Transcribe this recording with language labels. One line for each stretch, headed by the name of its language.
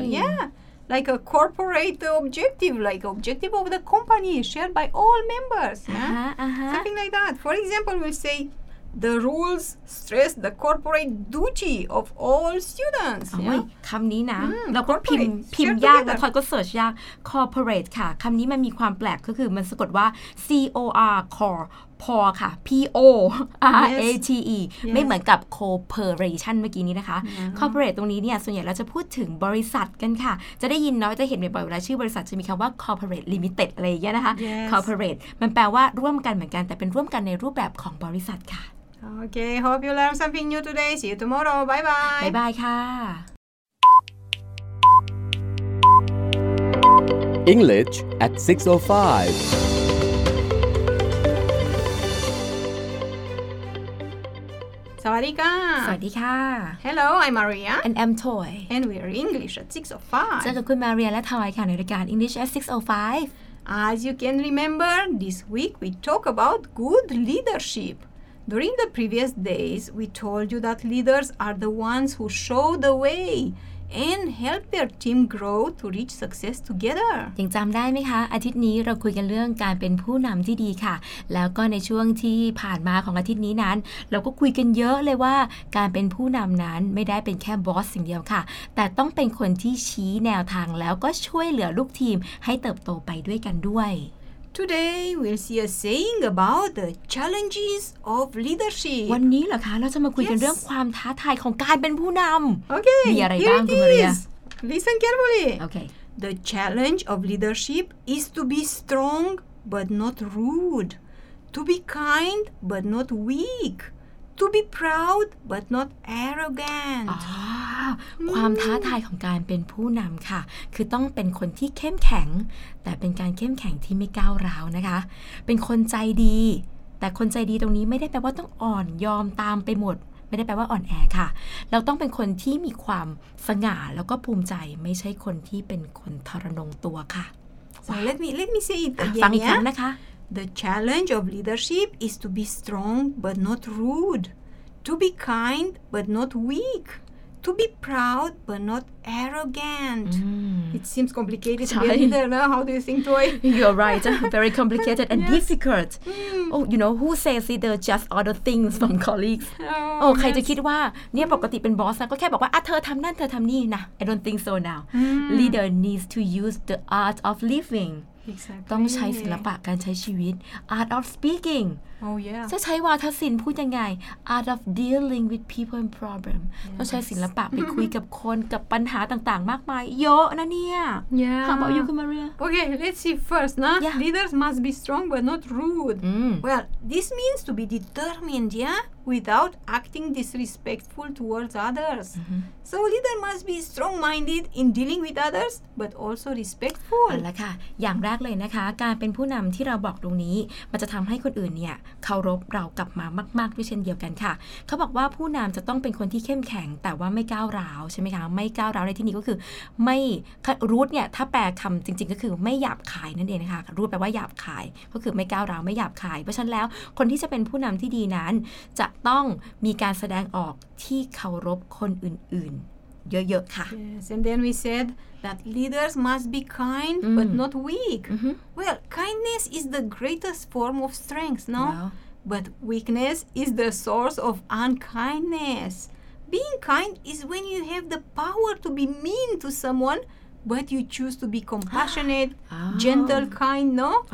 English: Yeah, like a corporate objective, like objective of the company shared by all members. Something like that. For example, we'll say the rules stress the corporate duty of all students.
Thai: คำนี้นะเราก็พิมพ์ยากแล้วพอก็เสิร์ชยาก corporate ค่ะคำนี้มันมีความแปลกก็คือมันสะกดว่า corporate ค่ะ P-O-R-A-T-E yes. ไม่เหมือนกับ cooperation เมื่อกี้นี้นะคะ corporate ตรงนี้เนี่ยส่วนใหญ่เราจะพูดถึงบริษัทกันค่ะจะได้ยินน้อยจะเห็นบ่อยเวลาชื่อบริษัทจะมีคำว่า corporate limited อะไรอย่างเงี้ยนะคะ
English: yes.
Thai: corporate มันแปลว่าร่วมกันเหมือนกันแต่เป็นร่วมกันในรูปแบบของบริษัทค่ะ
English: okay hope you learn something new today see you tomorrow bye bye bye bye ค่ะ English at 6:05
Thai: สวัสดี Sawadika. Sawadika.
English: Hello, I'm Maria. And I'm Toy. And we're English at 6:05.
Thai: เจอกับคุณมาเรียและทอยค่ะในรายการ English at 6:05.
English: As you can remember, this week we talk about good leadership. During the previous days, we told you that leaders are the ones who show the way and help their team grow to reach success together.
Thai: ยังจำได้ไหมคะอาทิตย์นี้เราคุยกันเรื่องการเป็นผู้นำที่ดีค่ะแล้วก็ในช่วงที่ผ่านมาของอาทิตย์นี้นั้นเราก็คุยกันเยอะเลยว่าการเป็นผู้นำนั้นไม่ได้เป็นแค่บอสสิ่งเดียวค่ะแต่ต้องเป็นคนที่ชี้แนวทางแล้วก็ช่วยเหลือลูกทีมให้เติบโตไปด้วยกันด้วย
English: Today we'll see a saying about the challenges of leadership.
Thai: วันนี้เหรอคะเราจะมาคุยกันเรื่องความท้าทายของการเป็นผู้นำ
English: Okay.
Thai: มีอะไรบ้างคุณมาเรีย
English: Listen carefully. Okay. The challenge of leadership is to be strong but not rude, to be kind but not weak, to be proud but not arrogant.
Thai: ความท้าทายของการเป็นผู้นำค่ะคือต้องเป็นคนที่เข้มแข็งแต่เป็นการเข้มแข็งที่ไม่ก้าวร้าวนะคะเป็นคนใจดีแต่คนใจดีตรงนี้ไม่ได้แปลว่าต้องอ่อนยอมตามไปหมดไม่ได้แปลว่าอ่อนแอค่ะเราต้องเป็นคนที่มีความสง่าแล้วก็ภูมิใจไม่ใช่คนที่เป็นคนทรนงตัวค่ะ
English: so let me say it again
Thai: ฟังอีกครั้งนะคะ
English: The challenge of leadership is to be strong but not rude to be kind but not weakTo be proud but not arrogant. Mm. It seems complicated to be a leader, no? How do you think, Toy? You're right. Very complicated and difficult. Mm. Oh, you know, who says leader just other things from colleagues? Oh,
Thai: ใครจะคิดว่าเนี่ยปกติเป็นบอสนะก็แค่บอกว่าเธอทำนั่นเธอทำนี่นะ
English: I don't think so now. Mm. Leader needs to use the art of living. Exactly.
Thai: ต้องใช้ศิลปะการใช้ชีวิต
English: art of speaking. Oh yeah.
Thai: จะใช้วาทศิลป์พูดยังไง
English: Art of dealing with people and problem
Thai: ต้องใช้ศิลปะไปคุยกับคนกับปัญหาต่างๆมากมายเยอะนะเนี่ย
English: Yeah. How about you, Maria? Okay, let's see first, นะ Yeah. Leaders must be strong but not rude. Mm. Well, this means to be determined, yeah, without acting disrespectful towards others. Mm-hmm. So leader must be strong-minded in dealing with others but also respectful.
Thai: เอาละค่ะอย่างแรกเลยนะคะการเป็นผู้นำที่เราบอกตรงนี้มันจะทำให้คนอื่นเนี่ยเคารพเรากลับมามากๆด้วยเช่นเดียวกันค่ะเขาบอกว่าผู้นำจะต้องเป็นคนที่เข้มแข็งแต่ว่าไม่ก้าวร้าวใช่ไหมคะไม่ก้าวร้าวในที่นี้ก็คือไม่รูทเนี่ยถ้าแปลคำจริงๆก็คือไม่หยาบคายนั่นเองนะคะรูทแปลว่าหยาบคายก็คือไม่ก้าวร้าวไม่หยาบคายเพราะฉะนั้นแล้วคนที่จะเป็นผู้นำที่ดีนั้นจะต้องมีการแสดงออกที่เคารพคนอื่นๆเยอะๆค่ะ
English: Yes, and then we said that leaders must be kind but not weak. Mm-hmm. Well, kindness is the greatest form of strength, no? No. But weakness is the source of unkindness. Being kind is when you have the power to be mean to someone but you choose to be compassionate, gentle, kind, no?